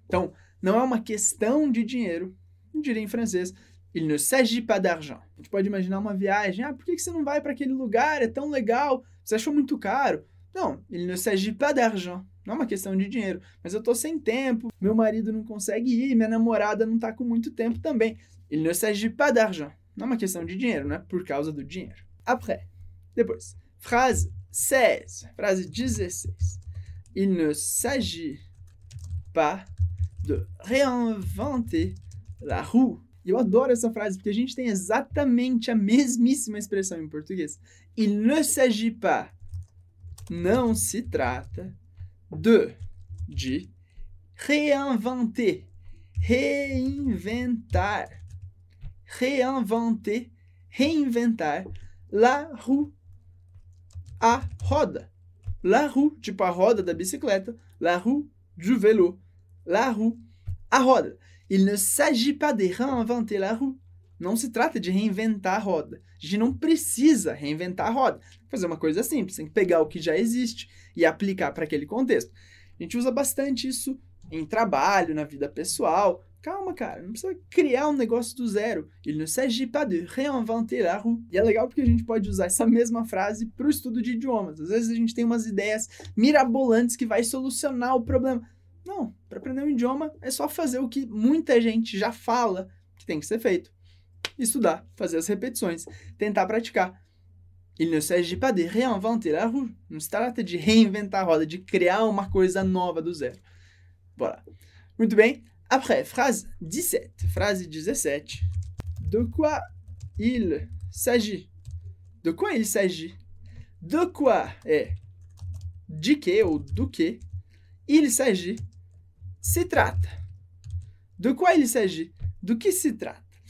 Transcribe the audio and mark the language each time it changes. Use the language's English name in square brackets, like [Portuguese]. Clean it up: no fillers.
[Portuguese] Então, não é uma questão de dinheiro, eu diria em francês, [French] il ne s'agit pas d'argent. [Portuguese] A gente pode imaginar uma viagem, ah, por que você não vai para aquele lugar? É tão legal, você achou muito caro? Não, [French] il ne s'agit pas d'argent. [Portuguese] Não é uma questão de dinheiro, mas eu tô sem tempo, meu marido não consegue ir, minha namorada não tá com muito tempo também. [French] Il ne s'agit pas d'argent. [Portuguese] Não é uma questão de dinheiro, não é por causa do dinheiro. [French] Après, [Portuguese] depois, [French] phrase 16, [Portuguese] frase 16. [French] Il ne s'agit pas de réinventer la roue. [Portuguese] E eu adoro essa frase porque a gente tem exatamente a mesmíssima expressão em português. [French] Il ne s'agit pas. [Portuguese] Não se trata de [French] réinventer. [Portuguese] Reinventar. Réinventer. Reinventar la roue. A roda. La roue, tipo a roda da bicicleta. [French] La roue du vélo. [Portuguese] La roue, a roda. [French] Il ne s'agit pas de réinventer la roue. [Portuguese] Não se trata de reinventar a roda. A gente não precisa reinventar a roda. Fazer uma coisa simples, tem que pegar o que já existe e aplicar para aquele contexto. A gente usa bastante isso em trabalho, na vida pessoal. Calma, cara, não precisa criar um negócio do zero. [French] Il ne s'agit pas de réinventer la roue. [Portuguese] E é legal porque a gente pode usar essa mesma frase para o estudo de idiomas. Às vezes a gente tem umas ideias mirabolantes que vai solucionar o problema. Não, para aprender um idioma é só fazer o que muita gente já fala que tem que ser feito. Estudar, fazer as repetições, tentar praticar. [French] Il ne s'agit pas de réinventer la roue. [Portuguese] Não se trata de reinventar a roda, de criar uma coisa nova do zero. Bora. Muito bem. [French] Après, phrase 17. Frase 17. De quoi il s'agit? De quoi il s'agit? [Portuguese] De quoi é de que ou do que il s'agit? Se trata. [French] De quoi il s'agit? [Portuguese] Do que se trata?